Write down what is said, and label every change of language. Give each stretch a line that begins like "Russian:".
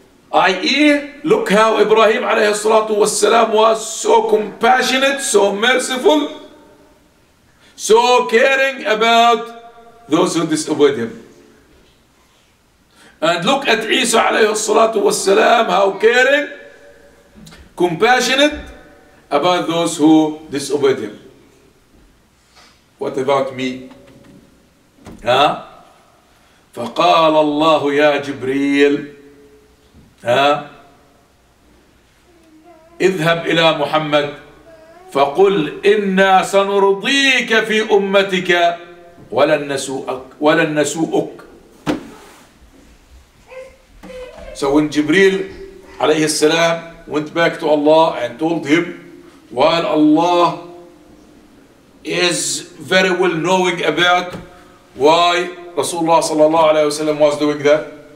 English: I.e., look how Ibrahim
Arabic: alayhi salatu wasalam
English: was so compassionate, so merciful, so caring about those who disobeyed him. And look at Isa
Arabic: alayhi salatu wasalam,
English: how caring, compassionate about those who disobeyed him. What about me?
Arabic: فقال الله يا جبريل اذهب إلى محمد فقل إنا سنرضيك في أمتك ولن نسوءك.
English: So when
Arabic: جبريل عليه السلام
English: went back to Allah and told him, while Allah is very well knowing about why Rasulullah
Arabic: sallallahu alayhi wa sallam
English: was doing that.